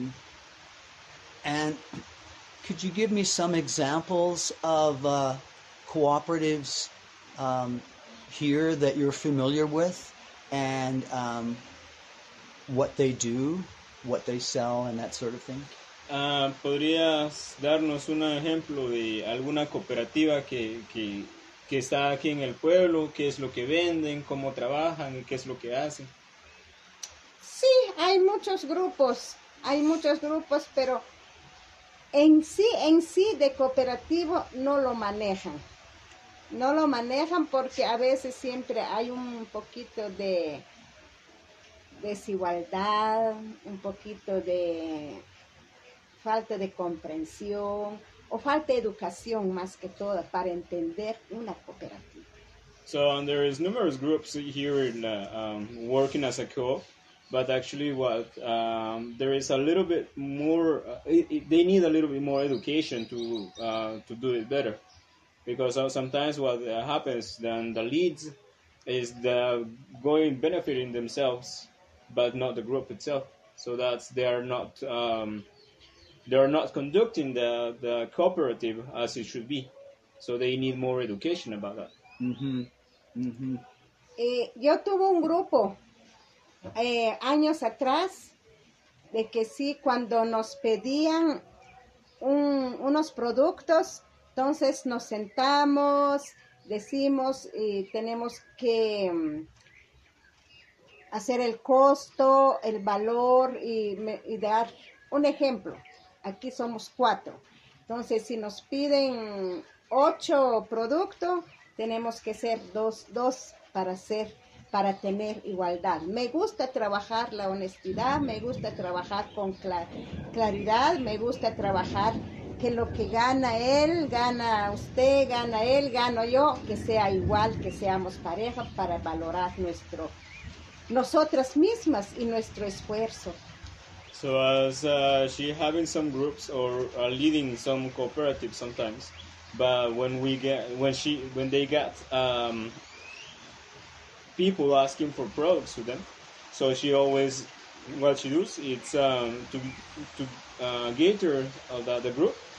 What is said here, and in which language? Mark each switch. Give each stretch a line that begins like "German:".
English: Mm-hmm. And could you give me some examples of cooperatives here that you're familiar with, and what they do, what they sell, and that sort of thing?
Spanish: ¿Podrías darnos un ejemplo de alguna cooperativa que está aquí en el pueblo? ¿Qué es lo que venden? ¿Cómo trabajan? ¿Qué es lo que hacen? Sí, hay muchos grupos, pero en sí de cooperativo no lo manejan. No lo manejan porque a veces siempre hay un poquito de desigualdad, un poquito de falta de comprensión o falta de educación más que todo para entender una cooperativa.
English: So and there is numerous groups here in working as a co, but actually what there is a little bit more they need a little bit more education to do it better. Because sometimes what happens then the leads is the going benefiting themselves but not the group itself. So that they are not conducting the cooperative as it should be. So they need more education about that. Mm-hmm. Uh-huh.
Spanish: Yo tuve un grupo años atrás de que sí, cuando nos pedían unos productos, entonces nos sentamos, decimos y tenemos que hacer el costo, el valor y dar un ejemplo. Aquí somos cuatro. Entonces, si nos piden 8 productos, tenemos que ser dos para tener igualdad. Me gusta trabajar la honestidad, me gusta trabajar con claridad, me gusta trabajar que lo que gana él, gana usted, gana él, gano yo, que sea igual, que seamos pareja para valorar nuestro, nosotras mismas y nuestro esfuerzo.
English: So as she having some groups or leading some cooperatives sometimes, but when they get people asking for products to them, so she always what she does it's to gather the group.